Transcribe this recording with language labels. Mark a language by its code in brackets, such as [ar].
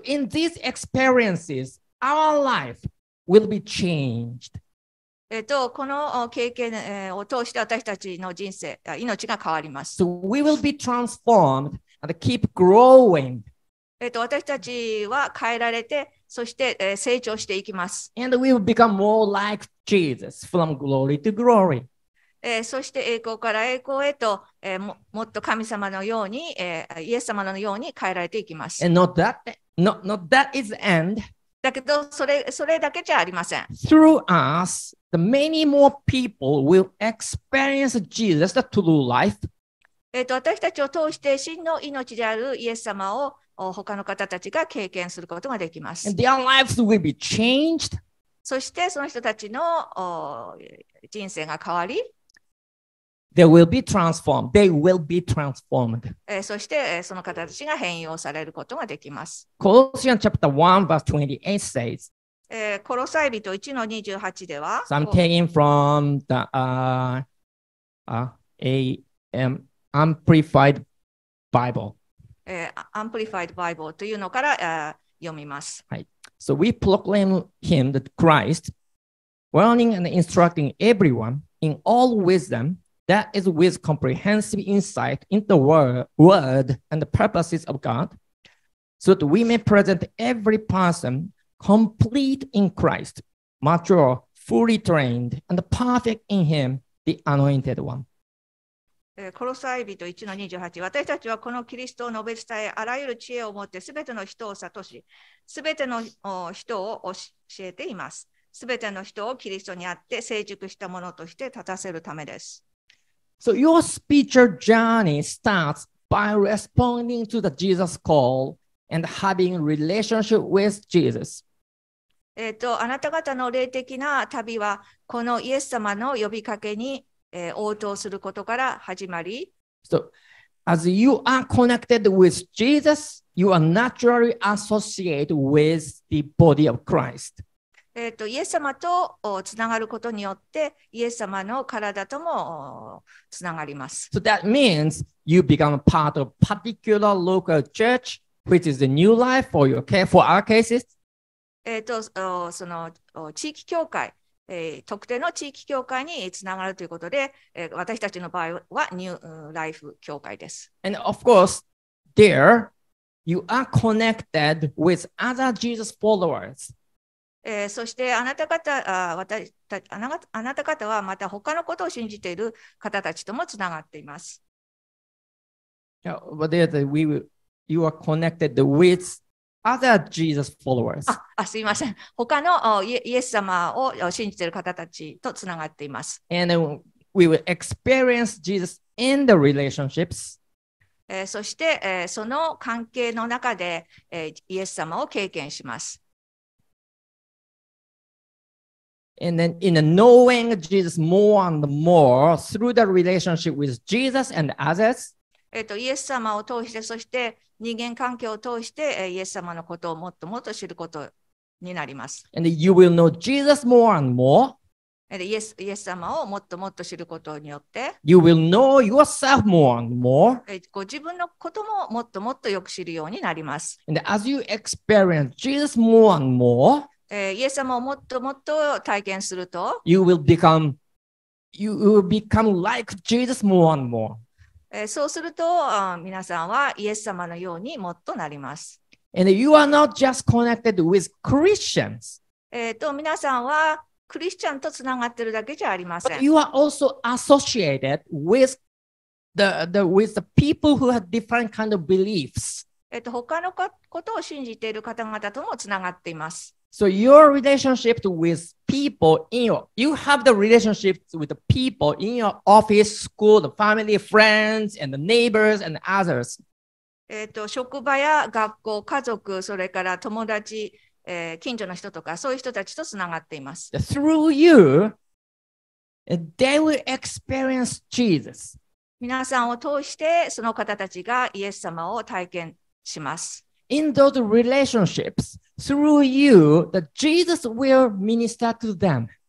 [en] So in these experiences, our life will be changed. [ja] この経験を通して私たちの人生、命が変わります。 [en] So we will be transformed and keep growing. [ja] 私たちは変えられて、そして成長していきます。 [en] And we will become more like Jesus from glory to glory. [ja] そして栄光から栄光へと、もっと神様のように、イエス様のように変えられていきます。 [en] And not that is the end. [ja] だけどそれだけじゃありません。 [en] Through us, the many more people will experience Jesus, the true life. [ja] 私たちを通して真の命であるイエス様を他の方たちが経験することができます。 [en] And their lives will be changed. [ja] そしてその人たちの人生が変わり。 [en] They will be transformed. They will be transformed. [ja] そしてその方たちが変容されることができます。 [en] Colossians chapter 1 verse 28 says, [ja] コロサイ人1の28では、 [en] So I'm taking from the Amplified Bible. [ja] Amplified Bible というのから読みます。 [en] Right. So we proclaim him that Christ, warning and instructing everyone in all wisdom, that is with comprehensive insight into the word and the purposes of God, so that we may present every person complete in Christ, mature, fully trained, and perfect in Him, the Anointed One. [ja] コロサイ人 1-28 私たちはこのキリストを述べ伝えあらゆる知恵を持ってすべての人を悟しすべての人を教えていますすべての人をキリストにあって成熟したものとして立たせるためです [en] So your spiritual journey starts by responding to the Jesus call and having relationship with Jesus [ja] あなた方の霊的な旅はこのイエス様の呼びかけに応答することから始まり [en] So, as you are connected with Jesus, you are naturally associated with the body of Christ. [ja] イエス様とつながることによって、イエス様の体ともつながります。 [en] So that means you become part of a particular local church, which is the new life for your case, for our cases. [ja] その地域教会。特定の地域教会につながるということで、私たちの場合はニューライフ教会です。 [en] And of course, there you are connected with other Jesus followers. [ja] そしてあなた方はまた他のことを信じている方たちともつながっています。 [en] Yeah, but you are connected withOther Jesus followers. [ja] すいません。他のイエス様を信じている方たちとつながっています。 [en] And we will experience Jesus in the relationships. [ja] そして、その関係の中で、イエス様を経験します。 [en] And then in knowing Jesus more and more through the relationship with Jesus and others, [ja] イエス様を通して、そして人間関係を通して、イエス様のことをもっともっと知ることになります。 [en] And you will know Jesus more and more. [ja] でイエス様をもっともっと知ることによって、 [en] You will know yourself more and more. [ja] ご自分のことももっともっとよく知るようになります。 [en] And as you experience Jesus more and more, [ja] イエス様をもっともっと体験すると、 [en] You will become like Jesus more and more. [ja] そうすると、皆さんはイエス様のようにもっとなります。 [en] And you are not just connected with Christians. [ja] 皆さんはクリスチャンとつながってるだけじゃありません。 [en] But you are also associated with with the people who have different kind of beliefs. [ja] 他のことを信じている方々ともつながっています。 [en] So your relationship with people in you have the relationship with the people in your office, school, the family, friends, and the neighbors and others. [ja] 職場や学校、家族、それから友達、近所の人とか、そういう人たちとつながっています。 [en] Through you, they will experience Jesus. [ja] 皆さんを通して、その方たちがイエス様を体験します。 [en] In those relationships, through you, that Jesus will minister to them.